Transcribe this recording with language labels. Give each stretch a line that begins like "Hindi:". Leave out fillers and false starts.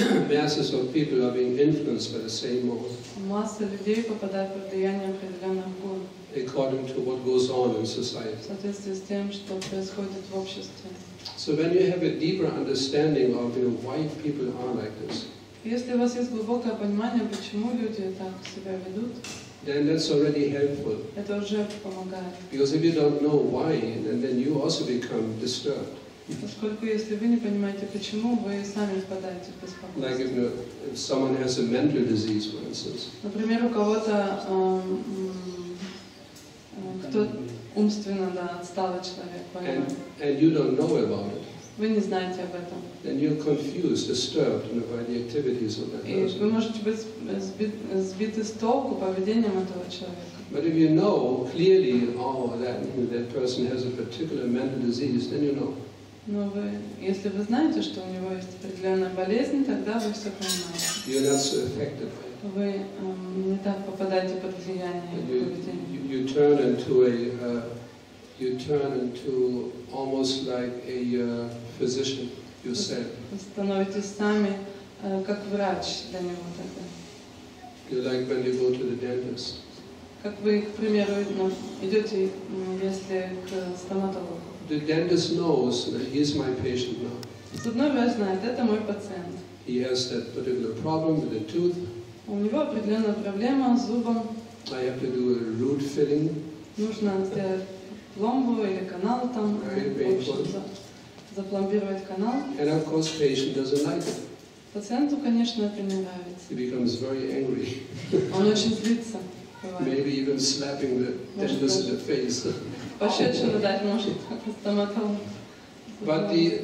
English: Masses of people are being influenced by the same mode.
Russian: Масса людей попадает под влияние определенных гун.
English: According to what goes on in society.
Russian: В соответствии с тем, что происходит в обществе.
English: So when you have a deeper understanding of why people are like this.
Russian: Если у вас есть глубокое понимание, почему люди так себя ведут.
English: Then that's already helpful.
Russian: Это уже помогает.
English: Because if you don't know why, then you also become disturbed.
Russian: Поскольку если вы не понимаете почему, вы сами впадаете в беспокойство.
English: Like if someone has a mental disease, for instance.
Russian: Например, у кого-то кто умственно отсталый человек.
English: And you don't know about it.
Russian: Вы не знаете об этом.
English: Then you're confused, disturbed, you know, by the activities of that person.
Russian: И вы можете быть сбиты с толку поведением этого человека.
English: But if you know clearly, that person has a particular mental disease, then you know.
Russian: Но вы, если вы знаете, что у него есть определенная болезнь, тогда вы все понимаете.
English: You're not so affected by it.
Russian: Вы не так попадаете под влияние поведения.
English: You turn into almost like a physician yourself.
Russian: Вы становитесь сами как врач для него тогда.
English: You're like when you go to the dentist.
Russian: Как вы, к примеру, идете, если к стоматологу.
English: The dentist knows that he is my patient now.
Russian: С одной вы знаете, это мой пациент.
English: He has that particular problem with the tooth.
Russian: У него определенная проблема с зубом.
English: I have to do a root filling.
Russian: Нужно сделать пломбу или канал там.
English: Very painful.
Russian: Запломбировать канал.
English: And of course, patient doesn't like it.
Russian: Пациенту, конечно, это не нравится.
English: He becomes very angry.
Russian: Он очень злится.
English: Maybe even slapping the dentist in the face.
Russian: Пощечину дать может стоматолог.